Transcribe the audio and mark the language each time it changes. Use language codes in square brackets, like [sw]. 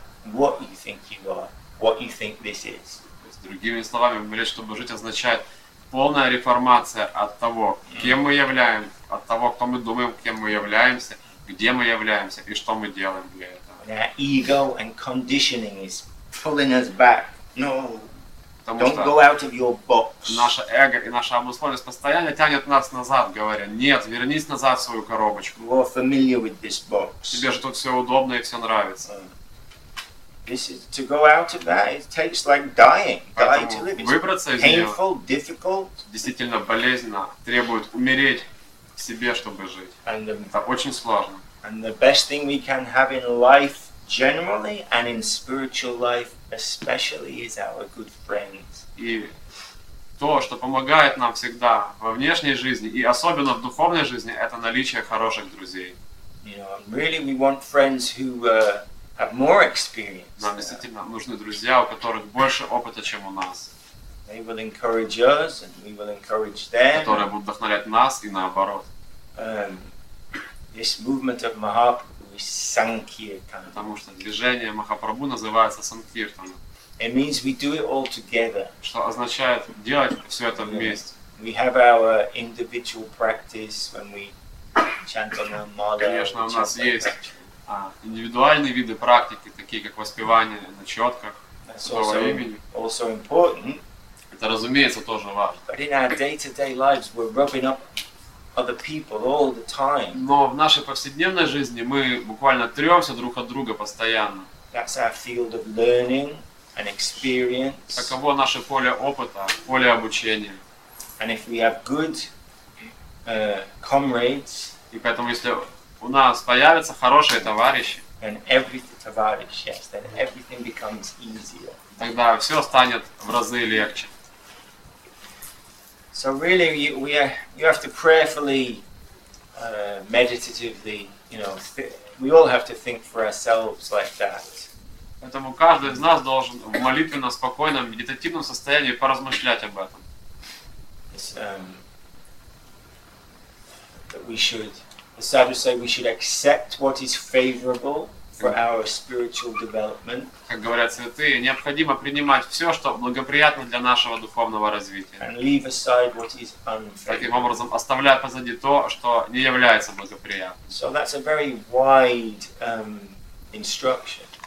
[en] who you think you are, what you think you are, what you think this is. [ru] То есть, другими словами, умереть, чтобы жить, означает полная реформация от того, кем мы являемся, от того, кто мы думаем, кем мы являемся, где мы являемся и что мы делаем для этого. [en] Our ego and conditioning is pulling us back. No. Don't go out of your box. [ru] Наше эго и наша обусловленность постоянно тянет нас назад, говоря: нет, вернись назад в свою коробочку. [en] You're familiar with this box. [ru] Тебе же тут все удобно и все нравится. [en] This is to go out of that. It takes like dying. Die to live. [ru] Выбраться из [en] нее. Painful, difficult. [ru] Действительно болезненно. Требует умереть в себе, чтобы жить. Это очень сложно. [en] And the best thing we can have in life generally and in spiritual life especially is our good friends. [ru] И то, что помогает нам всегда во внешней жизни и особенно в духовной жизни, это наличие хороших друзей. [en] You know, really we want friends who have more experience. [ru] Нам действительно нужны друзья, у которых больше опыта, чем у нас. [en] They will encourage us and we will encourage them. [ru] Которые будут вдохновлять нас и наоборот. [en] This movement of Mahaprabhu. Sankirtan. [ru] Потому что движение Махапрабху называется Санкиртана. [en] It means we do it all together. [ru] Что означает делать все это вместе. [en] We have our individual practice when we chant on our mala. [ru] Конечно, у нас есть индивидуальные виды практики, такие как воспевание на четках святого имени. [en] Also important. [ru] Это, разумеется, тоже важно. [en] But in our day-to-day lives, we're rubbing up other people all the time. [ru] Но в нашей повседневной жизни мы буквально трёмся друг от друга постоянно. [en] That's our field of learning and experience. [ru] Таково наше поле опыта, поле обучения. [en] And if we have good comrades, [ru] и поэтому если у нас появятся хорошие товарищи, [en] then everything товарищ, yes, then everything becomes easier. [ru] Тогда все станет в разы легче. [en] So really, you have to prayerfully, meditatively, you know, we all have to think for ourselves like that. [ru] Поэтому каждый из нас должен в молитвенно спокойном медитативном состоянии поразмышлять об этом. [en] That we should, the sadhus say, we should accept what is favorable for our spiritual development. [ru] Как говорят святые, необходимо принимать все, что благоприятно для нашего духовного развития. [en] And leave aside what is unfavorable. [ru] Таким образом, оставляя позади то, что не является благоприятным. [en] So that's a very wide instruction.